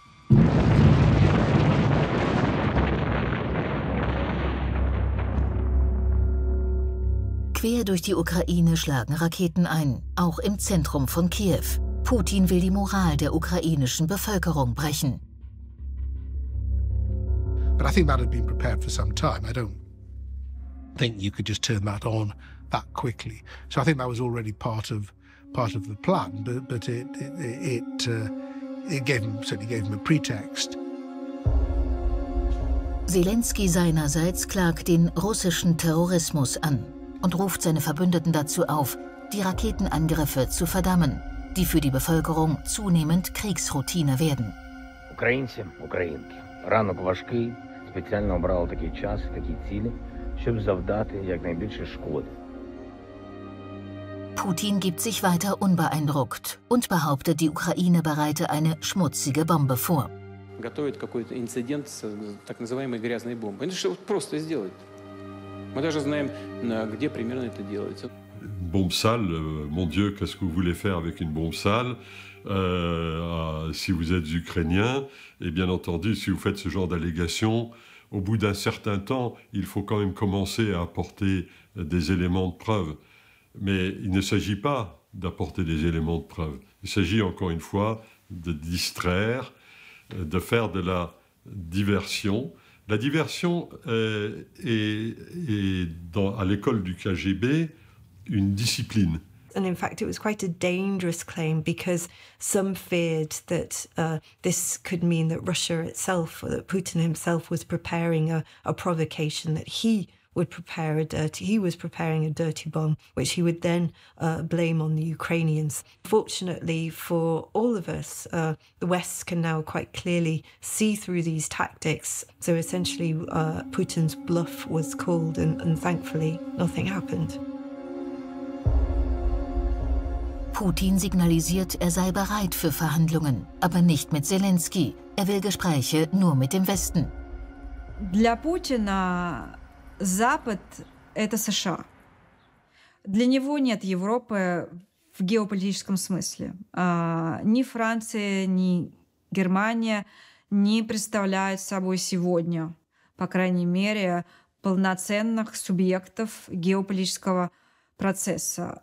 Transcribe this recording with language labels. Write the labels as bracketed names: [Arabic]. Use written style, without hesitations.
[German] Quer durch die Ukraine schlagen Raketen ein, auch im Zentrum von Kiew. Putin will die Moral der ukrainischen Bevölkerung brechen. [English] But I think that had been prepared for some time. I don't think you could just turn that on that quickly. So I think that was already part of the plan, but it certainly gave him a pretext. [German] Selenskyj seinerseits klagt den russischen Terrorismus an und ruft seine Verbündeten dazu auf, die Raketenangriffe zu verdammen, die für die Bevölkerung zunehmend Kriegsroutine werden. [Ukrainian] Українці, українки, ранок важкий, спеціально обрали такий час, такі цілі, щоб завдати якнайбільше шкоди. [German] Putin gibt sich weiter unbeeindruckt und behauptet, die Ukraine bereite eine schmutzige Bombe vor. [Russian] Готовит какой-то инцидент с так называемой грязной бомбой. Это же просто сделать. Мы даже знаем, где примерно это делается. [French] Bombe sale, mon Dieu, qu'est-ce que vous voulez faire avec une bombe sale? Si vous êtes ukrainien, et bien entendu, si vous faites ce genre d'allégation, au bout d'un certain temps, il faut quand même commencer à apporter des éléments de preuve. Mais il ne s'agit pas d'apporter des éléments de preuve. Il s'agit encore une fois de distraire, de faire de la diversion. La diversion est à l'école du KGB une discipline. [English] And in fact, it was quite a dangerous claim because some feared that this could mean that Russia itself, or that Putin himself, was preparing a provocation that he would prepare a dirty, he was preparing a dirty bomb, which he would then blame on the Ukrainians. Fortunately for all of us, the West can now quite clearly see through these tactics. So essentially, Putin's bluff was called, and thankfully, nothing happened. [German] Putin signalisiert, er sei bereit für Verhandlungen, aber nicht mit Selenskyj. Er will Gespräche nur mit dem Westen. [Russian] Для Путина Запад – это США. Для него нет Европы в геополитическом смысле. Ни Франция, ни Германия не представляют собой сегодня, по крайней мере, полноценных субъектов геополитического процесса.